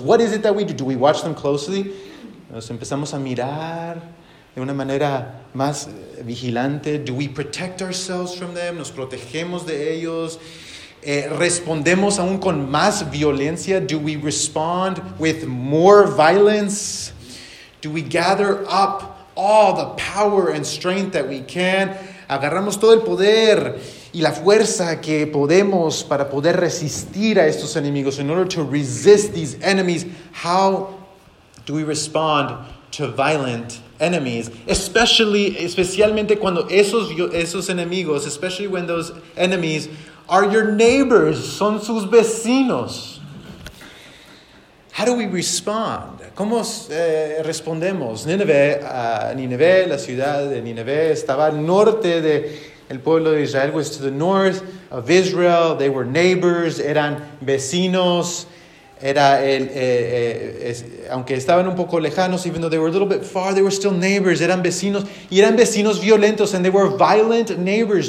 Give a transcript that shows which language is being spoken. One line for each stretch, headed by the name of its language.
English: What is it that we do? Do we watch them closely?
Spanish: Nos empezamos a mirar de una manera más vigilante.
English: Do we protect ourselves from them?
Spanish: Nos protegemos de ellos. Respondemos aún con más violencia.
English: Do we respond with more violence? Do we gather up all the power and strength that we can?
Spanish: Agarramos todo el poder y la fuerza que podemos para poder resistir a estos enemigos.
English: In order to resist these enemies, how do we respond to violent enemies,
Spanish: especialmente cuando esos enemigos,
English: especially when those enemies are your neighbors,
Spanish: son sus vecinos?
English: How do we respond?
Spanish: ¿Cómo respondemos? Nineveh, la ciudad de Nineveh, estaba al norte del pueblo de Israel.
English: Was to the north of Israel. They were neighbors,
Spanish: eran vecinos. Aunque estaban un poco lejanos,
English: even though they were a little bit far, they were still neighbors,
Spanish: eran vecinos, y eran vecinos violentos,
English: and they were violent neighbors.